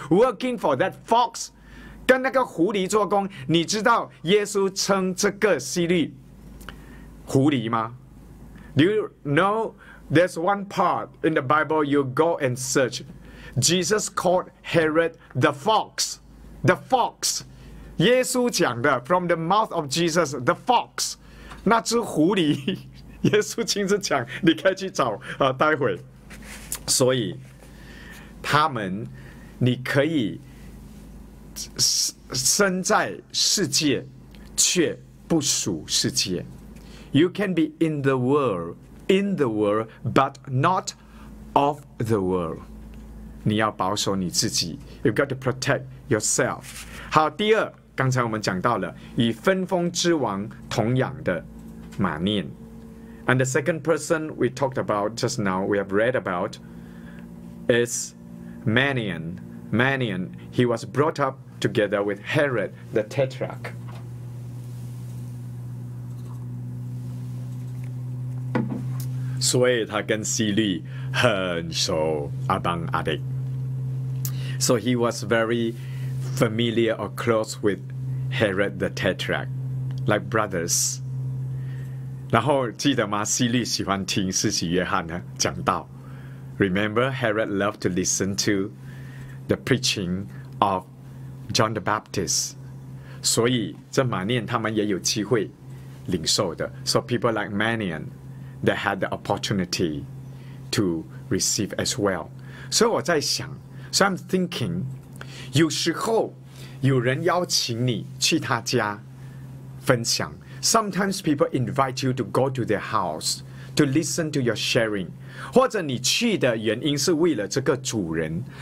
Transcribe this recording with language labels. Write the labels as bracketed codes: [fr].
[en] Working for that fox, [zh] 跟那个狐狸做工，你知道耶稣称这个西律狐狸吗？ [en] Do you know there's one part in the Bible you go and search? Jesus called Herod the fox. The fox. [zh] 耶稣讲的 [en] from the mouth of Jesus, the fox. [zh] 那只狐狸耶稣亲自讲，你可以去找待会。所以他们你可以身在世界却不属世界。 [en] You can be in the world, but not of the world. [zh] 你要保守你自己。 [en] You've got to protect yourself. [zh] 好，第二，刚才我们讲到了与分封之王同养的马念。 [en] And the second person we talked about just now, we have read about, is Manian. Manian, he was brought up together with Herod the Tetrarch. [zh] 所以他跟西律很熟，阿邦阿弟。 [en] So he was very familiar or close with Herod the Tetrarch, like brothers. [zh] 然后记得吗？西律喜欢听施洗约翰呢讲道。 [en] Remember, Herod loved to listen to the preaching of John the Baptist. [zh] 所以这马念他们也有机会领受的。 [en] So people like Manian. They had the opportunity to receive as well. [zh] So 我在想 ， [en] so I'm thinking， [zh] 有时候有人邀请你去他家分享。 [en] Sometimes people invite you to go to their house to listen to your sharing， [zh] 或者你去的原因是为了这个主人。